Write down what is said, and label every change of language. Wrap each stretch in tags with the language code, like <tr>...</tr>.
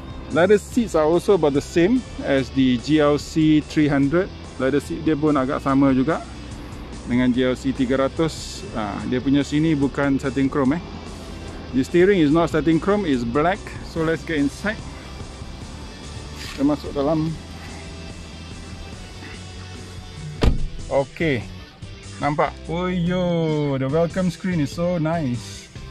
<en>Leather seats are also about the same as the GLC 300.</en> <ms>Leather seat dia pun agak sama juga dengan GLC 300. Dia punya sini bukan setting chrome eh.</ms> <en>The steering is not setting chrome, it's black. So let's get inside.</en> <ms>Kita masuk dalam.</ms> <en>Okay, nampak? Oyo, the welcome screen is so nice.</en>